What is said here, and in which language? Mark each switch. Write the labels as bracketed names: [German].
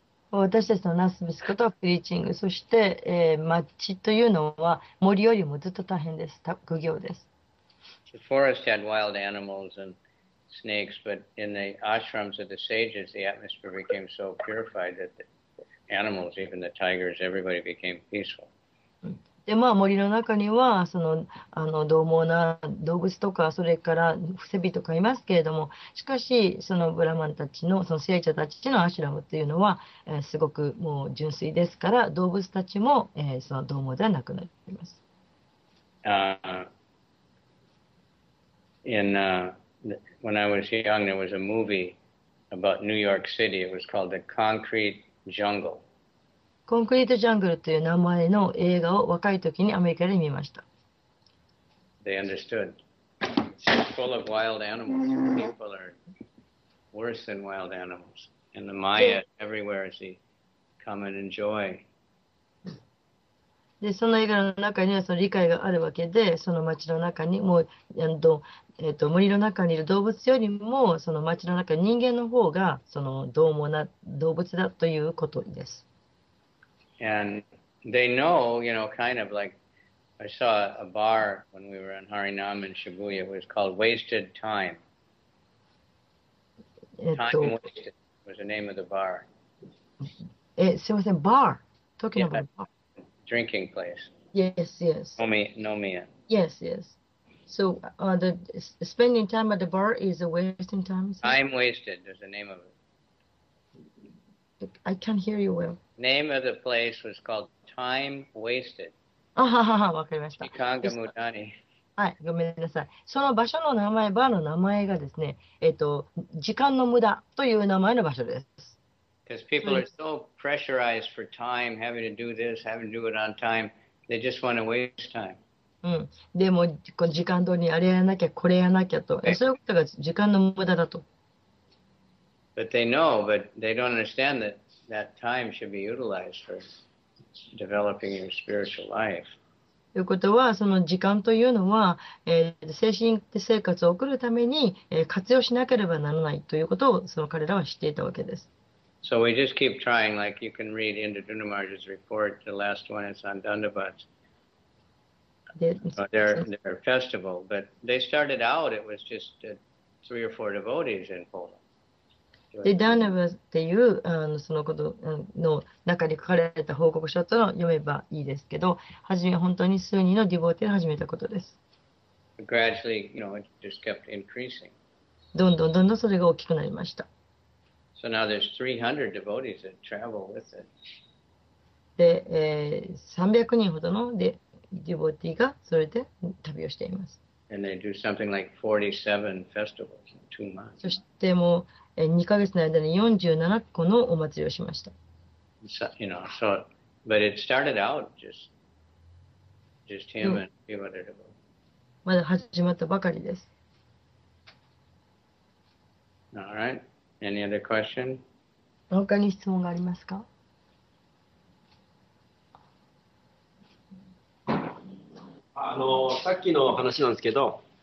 [Japanese] 私たちのナスビスことはプリーチング、そして、町というのは森よりもずっと大変です、苦行です。 [English] The forest had wild animals and snakes, but in the ashrams of the sages, the atmosphere became so purified that the animals, even the tigers, everybody became peaceful. [Japanese] でまあ、森の中にはそのあの獰猛な動物とかそれから伏せ火とかいますけれども、しかしそのブラマンたちのその聖者たちのアシュラムというのは、すごくもう純粋ですから、動物たちも、その獰猛ではなくなります。 [English] When I was young, there was a movie about New York City. It was called The Concrete Jungle. [Japanese] コンクリートジャングルという名前の映画を若い時にアメリカで見ました。 [English] They understood. It's full of wild animals. People are worse than wild animals. And the Maya everywhere is the come and enjoy. [Japanese] で、その映画の中にはその理解があるわけで、その街の中にもう、森の中にいる動物よりも、その街の中に人間の方が、その獰猛な動物だということです。 [English] And they know, you know, kind of like I saw a bar when we were in Harinam in Shibuya. It was called Wasted Time. Time Wasted was the name of the bar. [Japanese] すいません、 [English] bar. Talking about bar. Drinking place. Yes, yes. [Japanese] Nomiya. [English] Yes, yes. So the spending time at the bar is a wasting time? Time Wasted is the name of it. I can't hear you well. Name of the place was called Time Wasted. [Japanese] わかりました。 Ikanga Mudani. はい、ごめんなさい。その場所の名前、バーの名前がですね、時間の無駄という名前の場所です。 [English] Because people are so pressurized for time, having to do this, having to do it on time, they just want to waste time. うん。 [Japanese] でも、この時間通りにあれやらなきゃ、これやらなきゃと、そういうことが時間の無駄だと。 [English] But they know, but they don't understand that that time should be utilized for developing your spiritual life. [Japanese] ということは、その時間というのは、精神生活を送るために、活用しなければならないということを、その彼らは知っていたわけです。 [English] So we just keep trying, like you can read Indra Dhunamarja's report, the last one is on Dandavats. Their festival, but they started out, it was just three or four devotees in Poland. [Japanese] でダーナバっていうあのそのことの中に書かれた報告書と読めばいいですけど、初めは本当に数人のディボーティーを始めたことです。 [English] Gradually, you know, it just kept increasing. [Japanese] どんどんどんどんそれが大きくなりました。 [English] So now there's 300 devotees that travel with it. [Japanese] で、300人ほどのディボーティーがそれで旅をしています。 [English] And they do something like 47 festivals in 2 months. [Japanese] そしてもう2ヶ月の間に47個のお祭りをしました。 [English] So, you know, so, but it started out just him and people that are devoted. [Japanese] まだ始まったばかりです。 [English] All right. Any other question? [Japanese] 他に質問がありますか？さっきの話なんですけど、